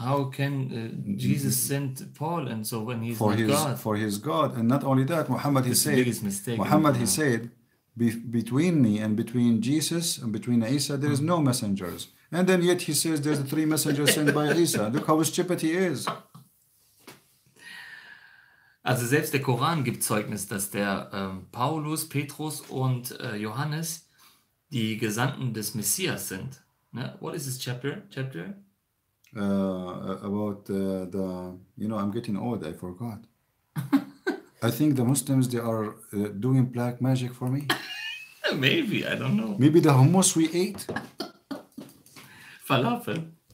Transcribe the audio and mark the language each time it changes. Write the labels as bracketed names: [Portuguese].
[English] How can Jesus send Paul? And so when he's for his God. For his God. And not only that, Muhammad, it's he said, mistake, Muhammad, he said, between me and between Jesus and between Isa, there is no messengers. And then yet he says there's three messengers sent by Isa. Look how stupid he is. [German] Also selbst der Koran gibt Zeugnis, dass der Paulus, Petrus und Johannes die Gesandten des Messias sind. [English] Ne? What is this chapter? About the you know, I'm getting old, I forgot. I think the Muslims, they are doing black magic for me. Maybe, I don't know. Maybe the hummus we ate? Falafel.